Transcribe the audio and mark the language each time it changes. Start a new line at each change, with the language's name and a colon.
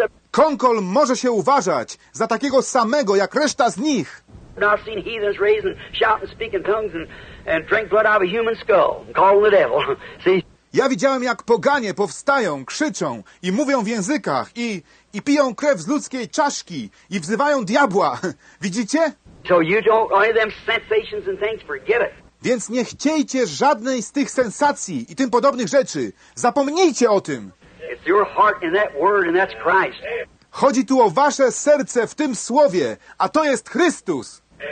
Polish: Kąkol może się uważać za takiego samego, jak reszta z nich.
English: And I've seen heathens raise and shout and speak in tongues and drink blood out of a human skull and call on the devil. See?
Polish: Ja widziałem, jak poganie powstają, krzyczą i mówią w językach i piją krew z ludzkiej czaszki i wzywają diabła. Widzicie?
English: So you don't only them sensations and things, forget it.
Polish: Więc nie chciejcie żadnej z tych sensacji i tym podobnych rzeczy. Zapomnijcie o tym.
English: It's your heart in that word and that's Christ.
Polish: Chodzi tu o wasze serce w tym Słowie, a to jest Chrystus.